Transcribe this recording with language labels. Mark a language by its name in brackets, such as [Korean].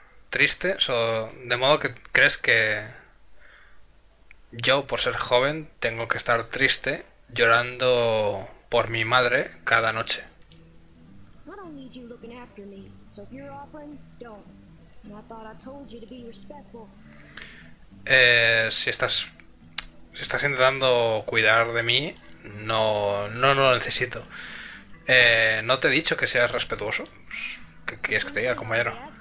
[Spanish] Triste, de modo que crees que yo, por ser joven, tengo que estar triste llorando por mi madre cada noche. [English] Don't need you looking after me, so if you're offering, don't. And I thought I told you to be respectful. [Spanish] Si estás intentando cuidar de mí, no lo necesito. No te he dicho que seas respetuoso. ¿Qué quieres que te diga, compañero?